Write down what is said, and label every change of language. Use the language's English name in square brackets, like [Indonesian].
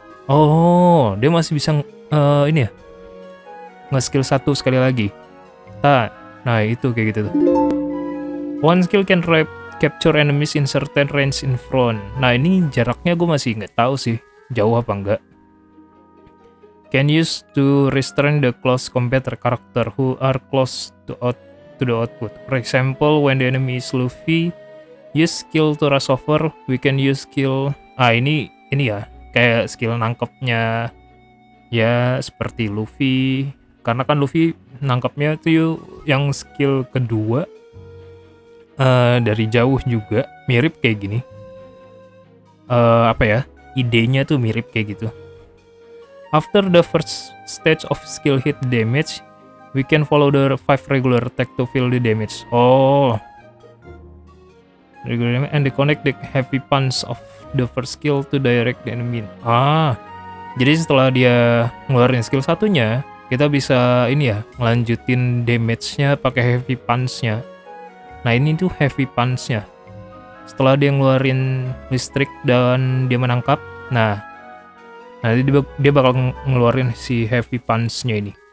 [Indonesian] Oh, dia masih bisa ini ya. Nge-skill satu sekali lagi. Nah, itu kayak gitu tuh. [English] One skill can capture enemies in certain range in front. [Indonesian] Nah, ini jaraknya gue masih nggak tahu sih, jauh apa enggak. [English] Can use to restrain the close combat character who are close to the output. For example, when the enemy is Luffy, use skill to rush over. We can use skill. [Indonesian] Ah, ini ya, kayak skill nangkepnya ya seperti Luffy. Karena kan Luffy nangkepnya tuh yang skill kedua. Dari jauh juga mirip kayak gini. Apa ya? Idenya tuh mirip kayak gitu. [English] After the first stage of skill hit damage, we can follow the 5 regular attack to fill the damage. Oh. Regular damage and connect the heavy punch of the first skill to direct the enemy. Ah. [Indonesian] Jadi setelah dia ngeluarin skill satunya, kita bisa ini ya, ngelanjutin damage-nya pakai heavy punch-nya. Nah, ini tuh heavy punch-nya. Setelah dia ngeluarin listrik dan dia menangkap, nah, nanti dia bakal ngeluarin si heavy punch-nya ini.